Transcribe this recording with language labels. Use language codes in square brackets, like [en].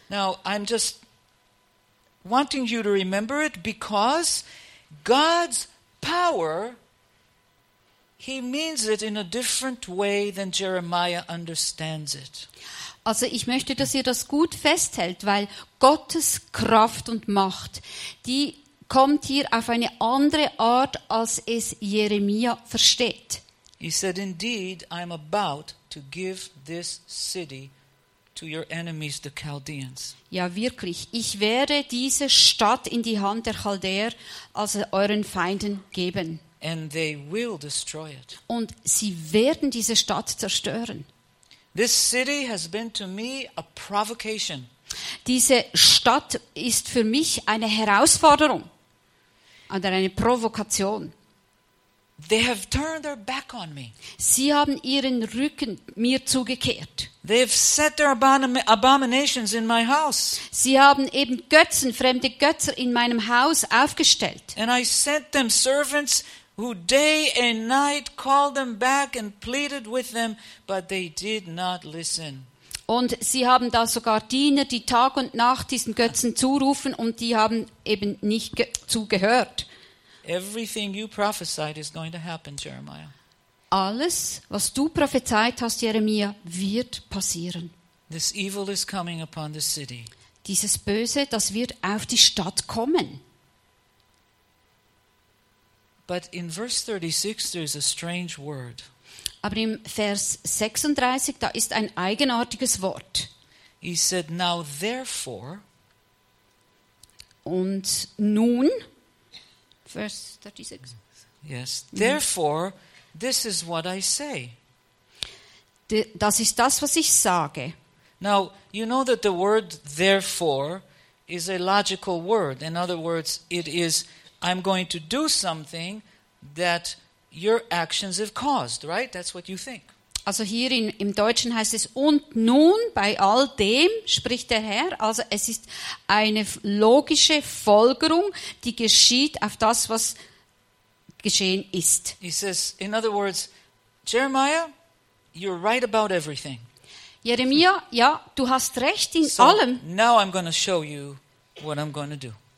[en] Now, I'm just wanting you to remember it, because God's power, he means it in a different way than Jeremiah understands it. [de] Also ich möchte, dass ihr das gut festhält, weil Gottes Kraft und Macht, die kommt hier auf eine andere Art, als es Jeremia versteht. [en] He said, indeed, I'm about to give this city to your enemies, the Chaldeans. [de] Ja, wirklich. Ich werde diese Stadt in die Hand der Chaldäer, also euren Feinden, geben. [en] And they will destroy it. [de] Und sie werden diese Stadt zerstören. [en] This city has been to me a provocation. [de] Diese Stadt ist für mich eine Herausforderung oder eine Provokation. [en] They have turned their back on me. [de] Sie haben ihren Rücken mir zugekehrt. [en] They have set their abominations in my house. [de] Sie haben eben Götzen, fremde Götze in meinem Haus aufgestellt. [en] And I sent them servants who day and night called them back and pleaded with them, but they did not listen. [de] Und sie haben da sogar Diener, die Tag und Nacht diesen Götzen zurufen, und die haben eben nicht zugehört. [en] Everything you prophesied is going to happen, Jeremiah. [de] Alles, was du prophezeit hast, Jeremia, wird passieren. [en] This evil is coming upon the city. [de] Dieses Böse, das wird auf die Stadt kommen. [en] But in verse 36 there is a strange word. [de] Aber im Vers 36 da ist ein eigenartiges Wort. [en] He said, now therefore. [de] Und nun. Vers 36. [en] Yes. Therefore, this is what I say. [de] Das ist das, was ich sage. [en] Now, you know that the word therefore is a logical word. In other words, it is, I'm going to do something that your actions have caused, right? That's what you think. [de] Also hier im Deutschen heißt es, und nun bei all dem, spricht der Herr, also es ist eine logische Folgerung, die geschieht auf das, was geschehen ist. [en] He says, in other words, Jeremiah, you're right about everything. [de] Jeremia, ja, du hast recht in so allem. [en] Now I'm going to show you what I'm going to do.